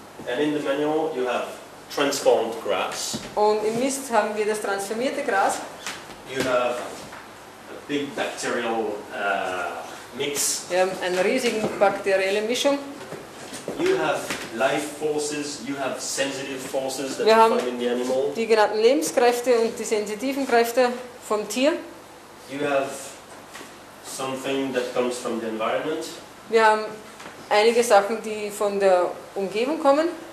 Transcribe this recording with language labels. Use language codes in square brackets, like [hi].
[en] And in the manual you have transformed grass. [de] Und im Mist haben wir das transformierte Gras. [en] You have a big bacterial mix. [de] Wir haben eine riesige bakterielle Mischung. [en] You have life forces, you have sensitive forces that you find in the animal. [de] Die genannten Lebenskräfte und die sensitiven Kräfte vom Tier. [en] You have something that comes from the environment. [de] Wir haben einige Sachen, die von der Umgebung kommen.